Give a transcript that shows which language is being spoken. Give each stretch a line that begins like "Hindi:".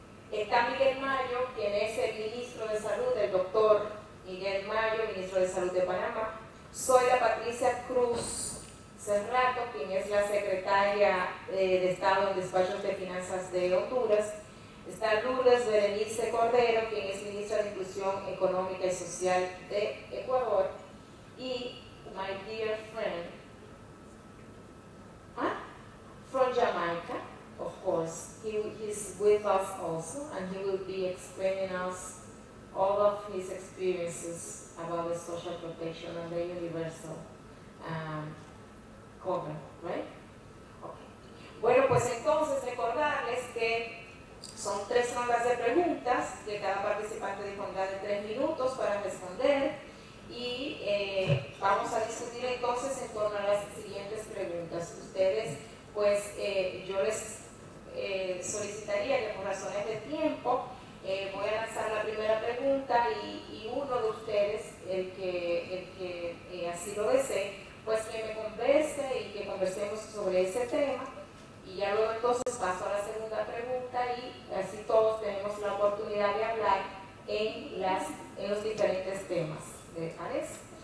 Spanish: Está Miguel Mayo, quien es el ministro de Salud, el doctor Miguel Mayo, ministro de Salud de Panamá. Soy la Patricia Cruz Cerrato, quien es la secretaria de Estado en Despachos de Finanzas de Honduras. Está Lourdes Berenice Cordero, quien es ministra de Inclusión Económica y Social de Ecuador.
English: Y my dear friend, from Jamaica, of course, he's with us also, and he will be explaining us all of his experiences about the social protection and the universal cover, right? Okay.
Spanish: Bueno, pues entonces recordarles que son tres rondas de preguntas que cada participante dispondrá de 3 minutos para responder, y vamos a discutir entonces en torno a las siguientes preguntas. Ustedes, pues yo les solicitaría que por razones de tiempo voy a lanzar la primera pregunta y uno de ustedes, el que así lo desee, pues que me converse y que conversemos sobre ese tema, y ya luego entonces paso a la segunda pregunta y así todos tenemos la oportunidad de hablar en los diferentes temas. ¿Me parece?